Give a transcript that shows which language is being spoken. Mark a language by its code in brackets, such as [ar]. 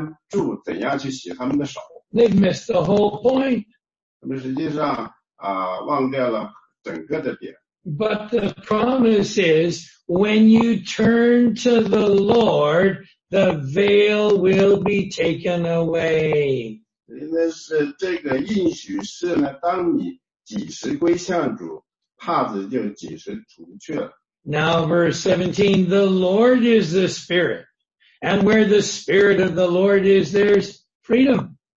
[zh] 因为实际上呢，特别的是说呢，当时这些的犹太人，他仍然在关注怎样去洗他们的手。 [en] They've missed the whole point. [zh] 他们实际上忘掉了整个的点。 [en] But the promise is, when you turn to the Lord, the veil will be taken away. [zh] 这个应许是呢，当你几时归向主，帕子就几时除去了。 [en] Now verse 17, the Lord is the Spirit. And where the Spirit of the Lord is, there's freedom.